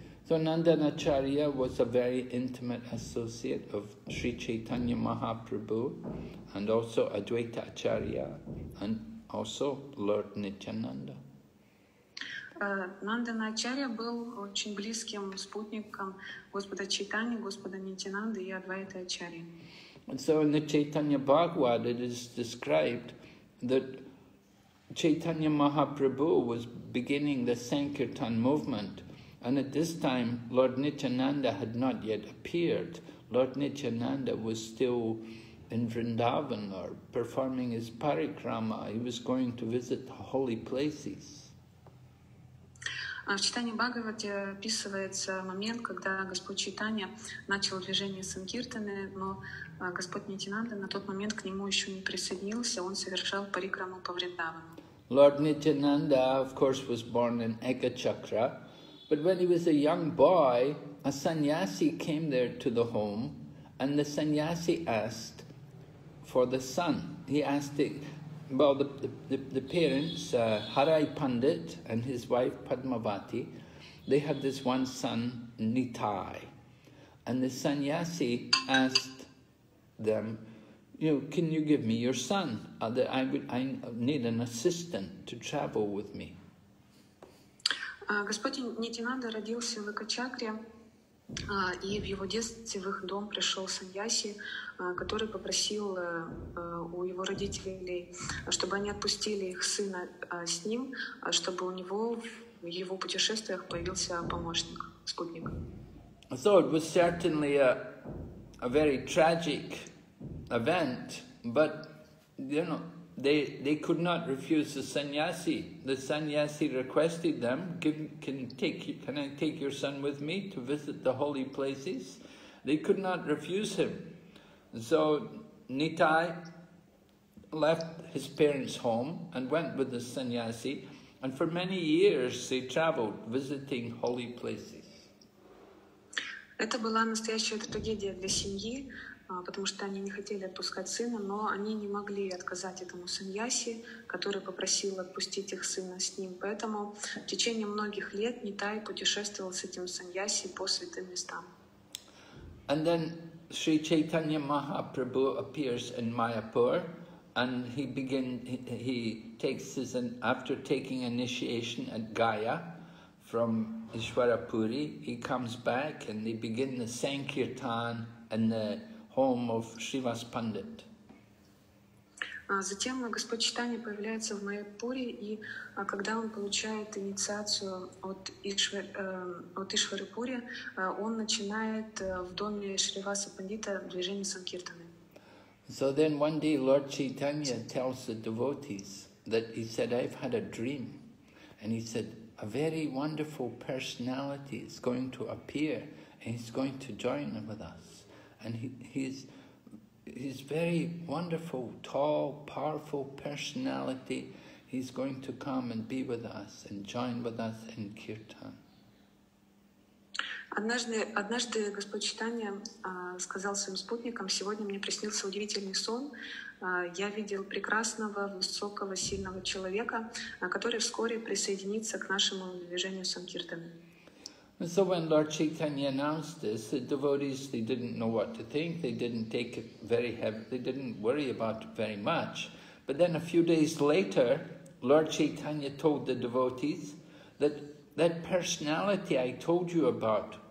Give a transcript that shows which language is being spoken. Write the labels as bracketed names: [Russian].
[English] So Nandana Acharya was a very intimate associate of Sri Chaitanya Mahaprabhu and also Advaita Acharya and also Lord Nityananda. [Russian] Нандана Ачарья был очень близким спутником Господа Чайтани, Господа Нитянанды и Адвайты Ачарьи. [English] So in the Chaitanya Bhagavad it is described that Chaitanya Mahaprabhu was beginning the Sankirtan movement, and at this time Lord Nityananda had not yet appeared. Lord Nityananda was still in Vrindavan or performing his parikrama. He was going to visit the holy places. [Russian] В читании Бхагавате описывается момент, когда Господь Чайтанья начал движение Санкиртаны, но Господь Нитянанда на тот момент к нему еще не присоединился, он совершал парикраму по Вриндавану. [English] Lord Nityananda, of course, was born in Ekachakra, but when he was a young boy, a sannyasi came there to the home, and the sannyasi asked for the son. He asked it. Well, the parents, Harai Pandit and his wife Padmavati, they had this one son, Nitai. And the sannyasi asked them, you know, can you give me your son? I need an assistant to travel with me. [Russian] Господин Нитянанда родился в Экачакре, и в его детстве в их дом пришел сан-яси, который попросил у его родителей, чтобы они отпустили их сына с ним, чтобы у него в его путешествиях появился помощник, спутник. [English] So it was certainly a very tragic event, but you know, they could not refuse the sannyasi. The sannyasi requested them, can I take your son with me to visit the holy places? They could not refuse him. So Nitai left his parents' home and went with the sannyasi, and for many years they traveled visiting holy places. [Russian] Это была настоящая трагедия для семьи, потому что они не хотели отпускать сына, но они не могли отказать этому сан-яси, который попросил отпустить их сына с ним. Поэтому в течение многих лет Нитай путешествовал с этим сан-яси по святым местам. [English] And then Sri Chaitanya Mahaprabhu appears in Mayapur, and he takes his, after taking initiation at Gaya from Ishwarapuri, he comes back and they begin the Sankirtan and the home of Shrivas Pandit. [Russian] Затем Господь Чайтанья появляется в Майяпуре, и когда он получает инициацию от Ишварапури, он начинает в доме Шриваса Пандита движение Санкиртаны. [English] So then one day Lord Chaitanya tells the devotees that he said, I've had a dream. And he said, a very wonderful personality is going to appear and he's going to join with us. And he's very wonderful, tall, powerful personality. He's going to come and be with us and join with us in Kirtan. [Russian] Однажды Господь Чайтанья сказал своим спутникам, сегодня мне приснился удивительный сон. Я видел прекрасного, высокого, сильного человека, который вскоре присоединится к нашему движению Санкиртаны. [English] And so when Lord Chaitanya announced this, the devotees, they didn't know what to think, they didn't take it very heavy, they didn't worry about it very much. But then a few days later, Lord Chaitanya told the devotees that that personality I told you about